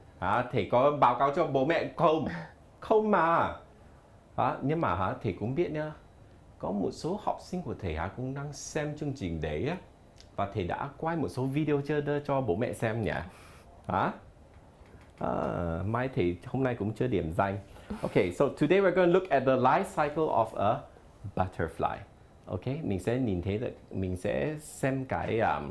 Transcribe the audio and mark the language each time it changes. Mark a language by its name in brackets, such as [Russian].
[Vietnamese] À, thầy có báo cáo cho bố mẹ không? Không mà. À, nhưng mà thầy cũng biết nhá. Có một số học sinh của thầy cũng đang xem chương trình đấy á. Và thầy đã quay một số video chưa đưa cho bố mẹ xem nhỉ? Hả? À, mai thì hôm nay cũng chưa điểm danh. [English] Ok, so today we're going to look at the life cycle of a butterfly. [Vietnamese] Ok, mình sẽ nhìn thấy được, mình sẽ xem cái